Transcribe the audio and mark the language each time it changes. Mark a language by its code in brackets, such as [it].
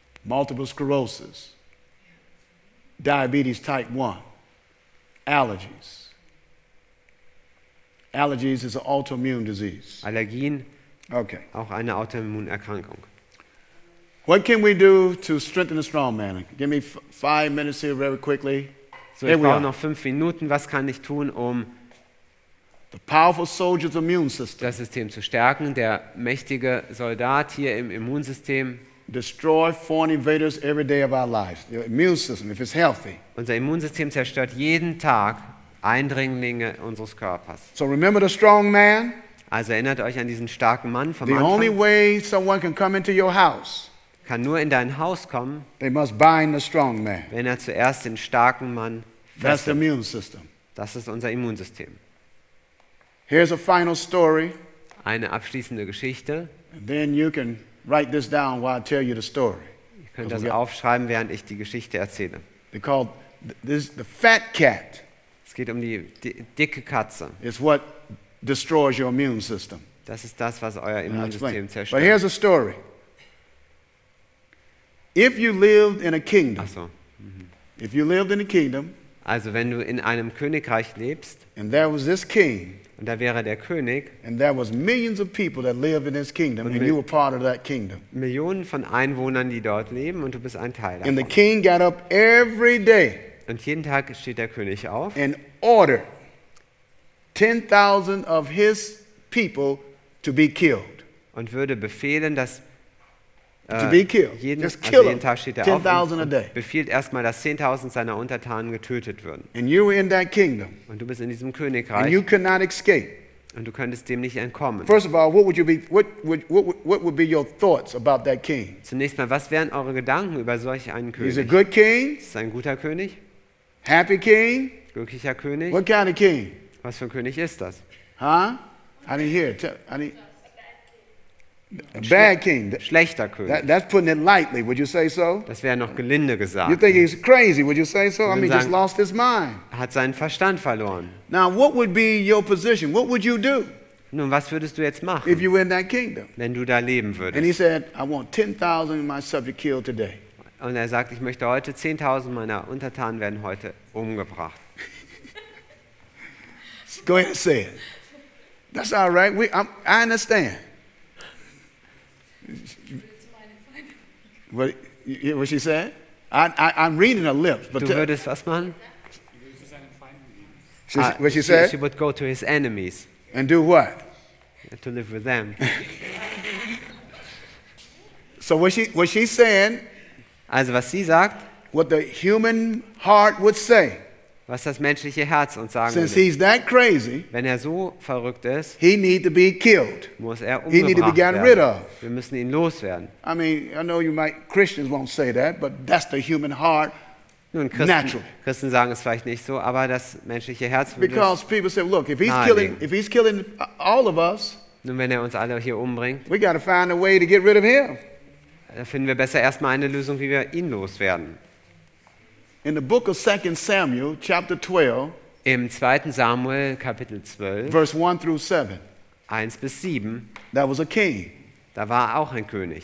[en] Multiple sclerosis. Diabetes type 1. Allergies. Allergies is an autoimmune disease. [de] Allergien. [en] Okay. [de] Auch eine Autoimmunerkrankung. [en] What can we do to strengthen the strong man? Give me 5 minutes here very quickly. [de] So ich brauche noch 5 Minuten. Was kann ich tun, um das System zu stärken? Der mächtige Soldat hier im Immunsystem. [en] Destroy foreign invaders every day of our lives. Your immune system, if it's healthy. [de] Unser Immunsystem zerstört jeden Tag Eindringlinge unseres Körpers. [en] So remember the strong man. [de] Also erinnert euch an diesen starken Mann vom Anfang. [en] The only way someone can come into your house. [de] Kann nur in dein Haus kommen, [en] they must bind the strong man. [de] Wenn er zuerst den starken Mann fesselt. [en] That's the immune system. [de] Das ist unser Immunsystem. [en] Here's a final story. [de] Eine abschließende Geschichte. [en] Then you can write this down while I tell you the story. [de] Ihr könnt das aufschreiben, während ich die Geschichte erzähle. [en] They call this the fat cat. [de] Es geht um die dicke Katze. [en] It's what destroys your immune system. [de] Das ist das, was euer Immunsystem zerstört. [en] But here's a story. If you lived in a kingdom, [de] Ach so. Mm-hmm. [en] If you lived in a kingdom, [de] Also wenn du in einem Königreich lebst, [en] and there was this king, [de] und da wäre der König, [en] and there was millions of people that live in his kingdom, and you were part of that kingdom. [de] Millionen von Einwohnern, die dort leben, und du bist ein Teil davon. [en] And the king got up every day, [de] und jeden Tag steht der König auf, [en] and ordered 10,000 of his people to be killed. [de] Und würde befehlen, dass jeden, also jeden Tag steht er auf und befiehlt erstmal, dass 10.000 seiner Untertanen getötet würden. [en] And you were in that kingdom. [de] Und du bist in diesem Königreich. [en] And you could not escape. [de] Und du könntest dem nicht entkommen. [en] First of all, what would be your thoughts about that king? [de] Zunächst mal, was wären eure Gedanken über solch einen König? [en] He's a good king. [de] Ist ein guter König. [en] Happy king. [de] Glücklicher König. [en] What kind of king? [de] Was für ein König ist das? [en] Huh? I didn't hear. A bad king. [de] Schlechter König. [en] That's putting it lightly. Would you say so? [de] Das wäre noch gelinde gesagt. [en] You think he's crazy? Would you say so? I mean, just lost his mind. [de] Hat seinen Verstand verloren. [en] Now, what would be your position? What would you do? [de] Nun, was würdest du jetzt machen? [en] If you were in that kingdom. [de] Wenn du da leben würdest. [en] And he said, I want 10,000 of my subjects killed today. [de] Und er sagt, ich möchte heute 10,000 meiner Untertanen werden heute umgebracht. [en] Go ahead and say it. That's all right. I understand. What you hear what she said? I'm reading her lips. But [de] du würdest was machen? [en] What she said? She would go to his enemies. And do what? To live with them. So what she's saying? [de] Also was sie sagt? [en] What the human heart would say. [de] Was das menschliche Herz uns sagen [en] Since [de] würde. [en] He's that crazy, [de] wenn er so verrückt ist, [en] he need to be killed. [de] Muss er umgebracht werden. [en] Rid of. [de] Wir müssen ihn loswerden. [en] I mean, I know you might Christians won't say that, but that's the human heart. [de] Nun, Christen sagen es vielleicht nicht so, aber das menschliche Herz würde [en] Because people say, look, if he's killing all of us, [de] nun, wenn er uns alle hier umbringt, [en] we got to find a way to get rid of him. [de] Da finden wir besser erstmal eine Lösung, wie wir ihn loswerden. [en] In the book of 2 Samuel, chapter 12, [de] im 2. Samuel, Kapitel 12, [en] verse 1 through 7, [de] 1 bis 7, [en] there was a king. [de] Da war auch ein König.